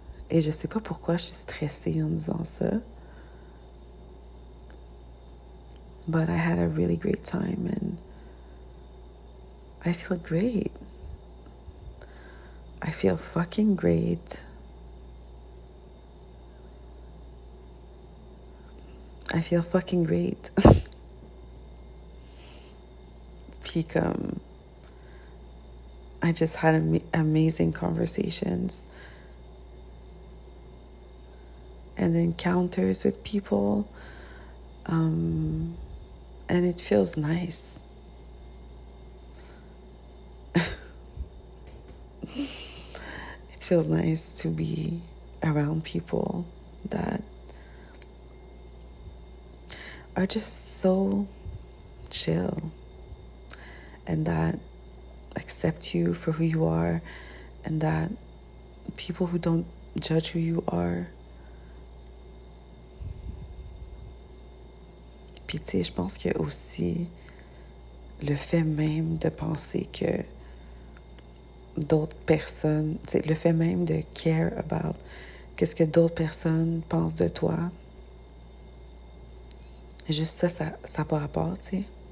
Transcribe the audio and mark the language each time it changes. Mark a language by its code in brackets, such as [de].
[fr] Et je sais pas pourquoi je suis stressée en disant ça. [en] But I had a really great time and I feel great. I feel fucking great. I feel fucking great. [fr] Puis comme, [en] I just had amazing conversations and encounters with people. And it feels nice. It feels nice to be around people that are just so chill and that accept you for who you are, and that people who don't judge who you are. [fr] Puis, tu sais, je pense que aussi le fait même de penser que d'autres personnes, tu sais, le fait même de [en] care about [fr] qu'est-ce que d'autres personnes pensent de toi, juste ça, ça pas rapport, tu sais.